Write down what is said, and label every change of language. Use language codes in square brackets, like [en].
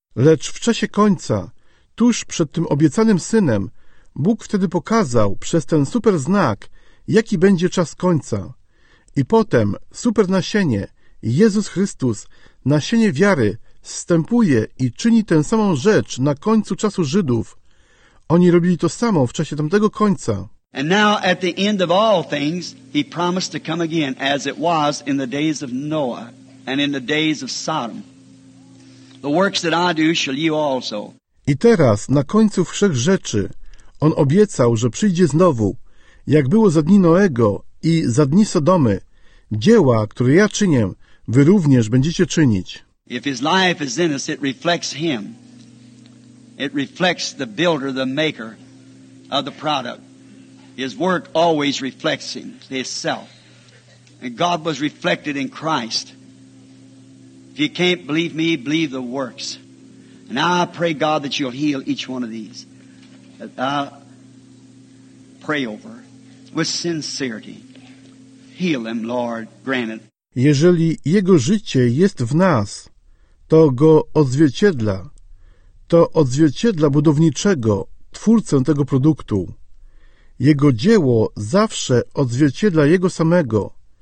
[pl] Lecz w czasie końca, tuż przed tym obiecanym synem, Bóg wtedy pokazał przez ten super znak, jaki będzie czas końca. I potem super nasienie, Jezus Chrystus, nasienie wiary, wstępuje i czyni tę samą rzecz na końcu czasu Żydów. Oni robili to samo w czasie tamtego końca. [en] And now at the end of all things, He promised to come again as it was in the days of Noah and in the days of Sodom. The works that I do shall you also. [pl] I teraz, na końcu wszech rzeczy, On obiecał, że przyjdzie znowu, jak było za dni Noego, i za dni Sodomy, dzieła, które ja czynię, wy również będziecie czynić. [en] If His life is in us, it reflects Him. It reflects the builder, the maker of the product. His work always reflects Him, His self. And God was reflected in Christ. If you can't believe me, believe the works. And I pray, God, that you'll heal each one of these. Pray over with sincerity. Heal them, Lord, grant it. [pl] Jeżeli Jego życie jest w nas, to Go odzwierciedla. To odzwierciedla budowniczego, twórcę tego produktu. Jego dzieło zawsze odzwierciedla Jego samego.